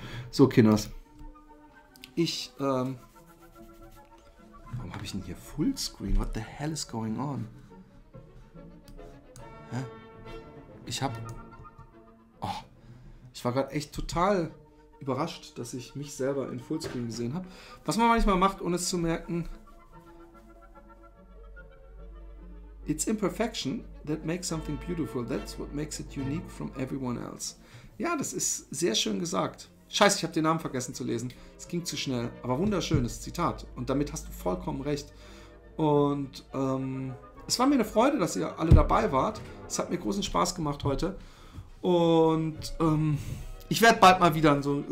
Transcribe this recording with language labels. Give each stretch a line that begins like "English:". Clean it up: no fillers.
German: So, Kinders. Warum habe ich denn hier Fullscreen?
English: What the hell is going on?
German: Ich hab... Oh, ich war gerade echt total überrascht, dass ich mich selber in Fullscreen gesehen habe. Was man manchmal macht, ohne es zu merken.
English: It's imperfection that makes something beautiful. That's what makes it unique from everyone else.
German: Ja, das ist sehr schön gesagt. Scheiße, ich habe den Namen vergessen zu lesen. Es ging zu schnell. Aber wunderschönes Zitat. Und damit hast du vollkommen recht. Und es war mir eine Freude, dass ihr alle dabei wart. Es hat mir großen Spaß gemacht heute. Und ich werde bald mal wieder so.